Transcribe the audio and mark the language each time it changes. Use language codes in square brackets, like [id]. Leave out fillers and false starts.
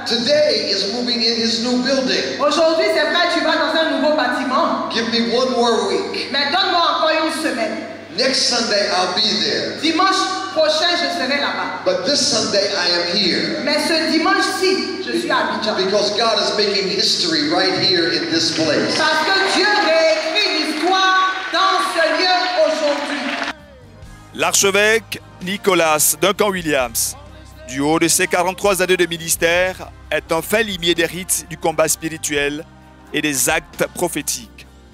[en] today is moving in his new building. [fr] Aujourd'hui, c'est fait, tu vas dans un nouveau bâtiment. [en] Give me one more week. [fr] Mais donne-moi encore une semaine. [en] Next Sunday I'll be there. [fr] Dimanche prochain je serai là-bas. [en] But this Sunday I am here. [fr] Mais ce dimanche-ci je suis à Abidjan. [en] Because God is making history right here in this place. [fr] Parce que Dieu réécrit l'histoire dans ce lieu aujourd'hui. L'archevêque Nicolas Duncan-Williams, du haut de ses 43 années de ministère, est un fin limier des rites du combat spirituel et des actes prophétiques.